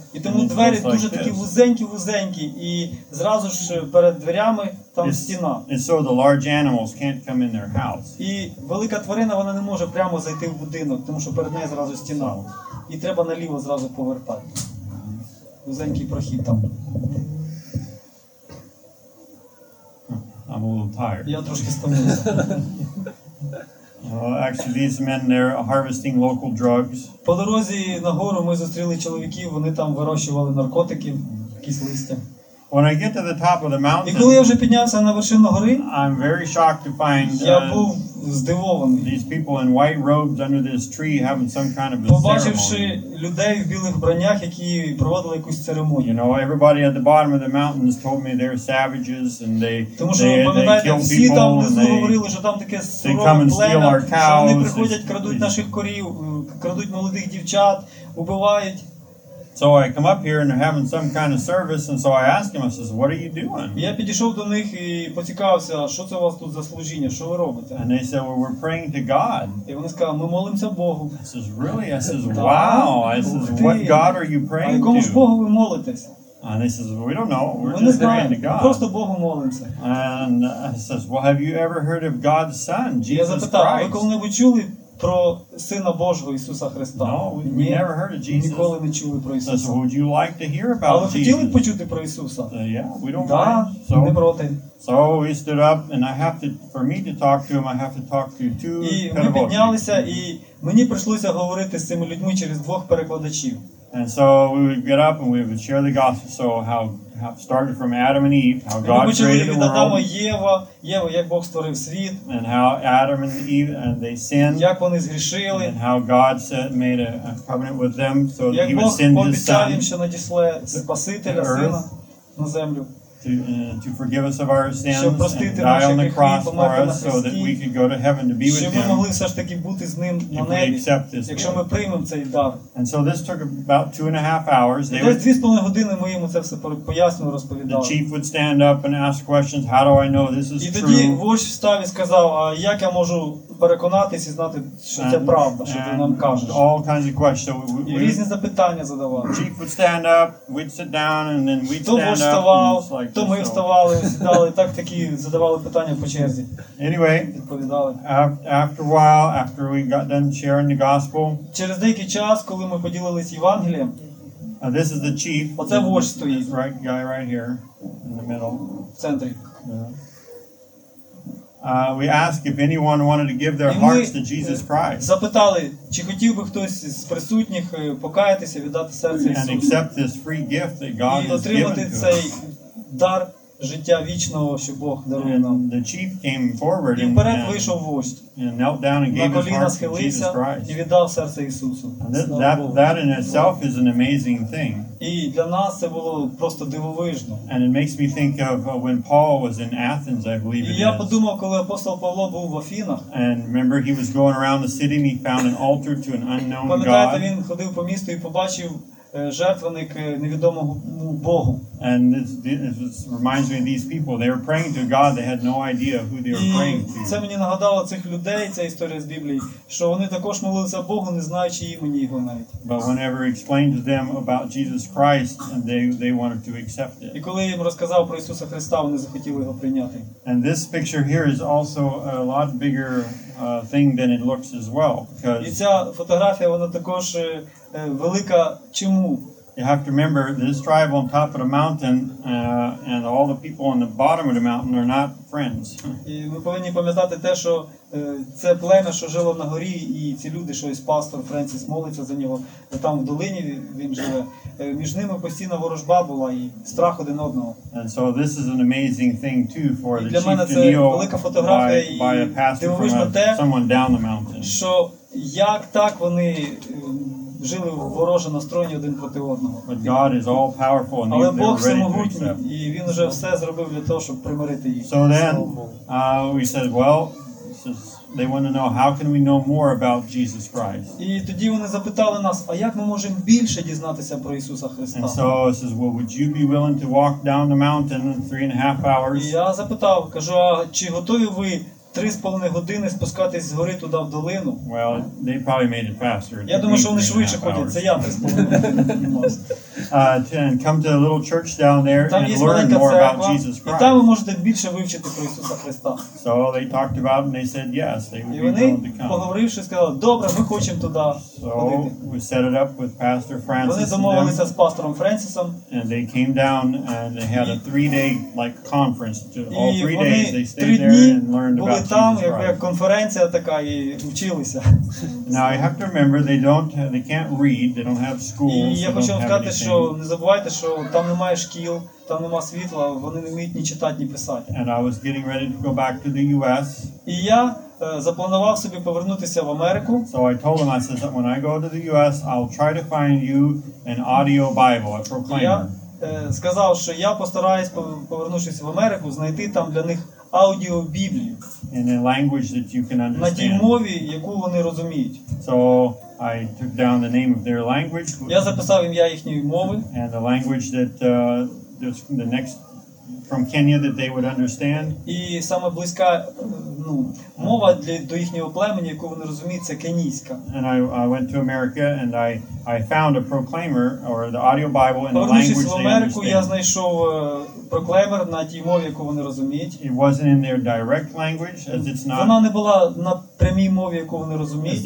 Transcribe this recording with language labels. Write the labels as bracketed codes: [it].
[uk] І тому двері дуже такі вузенькі-вузенькі, і зразу ж перед дверями там стіна. [en] And so the large animals can't come in their house. [uk] І велика тварина, вона не може прямо зайти в будинок, тому що перед нею зразу стіна. І треба наліво зразу повертати. Вузенький прохід там. [en] I'm a little tired. [uk] Я трошки стомився. [en] Actually, these men, they're harvesting local drugs. [uk] По дорозі нагору ми зустріли чоловіків, вони там вирощували наркотики, якісь листя. [en] When I get to the top of the mountain, [uk] і коли я вже піднявся на вершину гори, [en] I'm very shocked to find, [uk] я був здивований. [en] These people in white robes under this tree having some kind of a ceremony. [uk] Побачивши [en] ceremony. [uk] Людей в білих бронях, які проводили якусь церемонію. [en] You know, everybody at the bottom of the mountain has told me they're savages and they [uk] тому що, [en] they [uk] всі там внизу [en] they, [uk] говорили, що там таке суворе племя, що вони приходять, крадуть наших корів, крадуть молодих дівчат, убивають. [en] So I come up here and they're having some kind of service, and so I ask him, I says, what are you doing? [uk] Я підійшов до них і поцікавився, що це у вас тут за служіння, що ви робите? [en] And they said, well, we're praying to God. [uk] І вони сказали, ми молимося Богу. [en] I says, really? I says, wow. I says, what God are you praying to? [uk] А якому Богу ви молитесь? [en] And he says, well, we don't know, we're just praying to God. [uk] Просто Богу молимося. [en] And he says, well, have you ever heard of God's Son, Jesus Christ? [uk] Ви коли-небудь чули про Сина Божого Ісуса Христа? [en] No, we never heard of Jesus. [uk] Ніколи не чули про Ісуса. [en] So, would you like to hear about Jesus? [uk] Але хотіли б почути про Ісуса? [en] Yeah, we don't mind. [uk] Так, не проти. [en] So he stood up, and I have to, for me to talk to him, I have to talk to two [uk] переводчиків. І ми піднялися, і мені прийшлося говорити з цими людьми через двох перекладачів. [en] And so we would get up and we would share the gospel. So how started from Adam and Eve, how God created the world. [uk] Єва, як Бог створив світ. [en] And how Adam and Eve and they sinned. [uk] Як вони згрішили. [en] And how God said, made a covenant with them so that he would send his son. [uk] Як Бог обіцяв їм, що Спасителя, сина на землю. [en] To forgive us of our sins and die on the cross for us so that we could go to heaven to be with him. [uk] Щоб ми могли все ж таки бути з ним на небі. Якщо ми приймемо цей дар. [en] And so this took about 2.5 hours. [uk] Десь 2.5 години ми йому це все пояснювали, розповідали. [en] The chief would stand up and ask questions, how do I know this is true? [uk] І тоді вождь встав і сказав, а як я можу переконатись і знати, що це правда, що ти нам кажеш? [en] All kinds of questions. [uk] І різні запитання задавали. [en] The chief would stand up, we'd sit down, and then we'd stand up. [uk] Хто вставав? То ми вставали, сідали, так такі задавали питання по черзі. [en] Anyway, after a while, after we got done sharing the gospel, [uk] через деякий час, коли ми поділились Євангелієм, [en] this is the chief. [uk] Оце вождь стоїть. [en] This right guy right here in the middle. [uk] В центрі. [en] We asked if anyone wanted to give their hearts to Jesus Christ. [uk] Запитали, чи хотів би хтось з присутніх покаятися, віддати серце Ісусу. [en] And accept this free gift that God has given to us. [uk] Дар життя вічного, що Бог дарує нам. [en] The chief came forward and [uk] вперед вийшов вождь. [en] And knelt down and gave his heart to Jesus Christ. [uk] І віддав серце Ісусу. [en] That in itself is an amazing thing. [uk] І для нас це було просто дивовижно. [en] And it makes me think of when Paul was in Athens, I believe it is. [uk] Я подумав, коли апостол Павло був в Афінах. [en] And remember he was going around the city and he found an altar to an unknown god. [uk] Пам'ятаєте, він ходив по місту і побачив жертвенник невідомому Богу. [en] And this reminds me of these people. They were praying to God. They had no idea who they were praying to. [uk] Це мені нагадало цих людей, ця історія з Біблії, що вони також молилися Богу, не знаючи імені Його навіть. [en] But whenever I explained to them about Jesus Christ, they wanted to accept it. [uk] І коли я їм розказав про Ісуса Христа, вони захотіли Його прийняти. [en] And this picture here is also a lot bigger thing than it looks as well. [uk] І ця фотографія, вона також велика чому? [en] You have to remember this tribe on top of the mountain and all the people on the bottom of the mountain are not friends. [uk] І ми повинні пам'ятати те, що це племя, що жило на горі, і ці люди, що ось пастор Френсіс молиться за нього, там в долині він живе, між ними постійна ворожба була і страх один одного. [en] And so this is an amazing thing too for the chief to kneel. [uk] Для мене це велика фотографія і дивовижно те, [en] someone down the mountain. [uk] Що як так вони жили в вороже настроєнні один проти одного. [en] But God is all powerful and [uk] Але Бог всемогутній, і він вже все зробив для того, щоб примирити їх. [en] So then, we said, well, they want to know how can we know more about Jesus Christ. [uk] І тоді вони запитали нас, а як ми можемо більше дізнатися про Ісуса Христа? [en] And so he says, well, would you be willing to walk down the mountain in 3.5 hours? [uk] І я запитав, кажу, а чи готові ви 3.5 години спускатись згори туди в долину. [en] Well, they probably made it faster. [uk] Я думаю, що вони швидше ходять. Це я 3.5 години. [en] Come to a little church down there and learn more about Jesus Christ. [uk] І там ви можете більше вивчити про Ісуса Христа. [en] So they talked about and they said yes, they would be willing to come. [uk] І вони, поговоривши, сказали, добре, ми хочемо туди ходити. [en] So we set it up with Pastor Francis. [uk] Вони домовилися з пастором Френсісом. [en] And they came down and they had a 3-day like conference. All 3 days they stayed there and learned about. [uk] Там як конференція така і вчилися. [en] Now you have to remember they can't read, they don't have school. [uk] І я хочу сказати, що не забувайте, що там немає шкіл, там немає світла, вони не вміють ні читати, ні писати. [en] And I was getting ready to go back to the US. [uk] І я запланував собі повернутися в Америку. [en] So I told them, I said that when I go to the US, I'll try to find you an audio Bible, a proclaimer. [uk] Я сказав, що я постараюсь, повернувшись в Америку, знайти там для них аудіо Біблію. [en] In a language that you can understand. [uk] На тій мові, яку вони розуміють. [en] So I took down the name of their language. [uk] Я записав ім'я їхньої мови. [en] And the language that there's the next from Kenya that they would understand. [uk] І саме близька, ну, мова для до їхнього племені, яку вони розуміють, це кенійська. [en] And I went to America and I found a proclaimer or the audio Bible in the language they understand. [uk] Повернувшись в Америку, я знайшов проклеймер на тій мові, яку вони розуміють. [en] It wasn't in their direct language, as it's not. [uk] Вона не була на прямій мові, яку вони розуміють.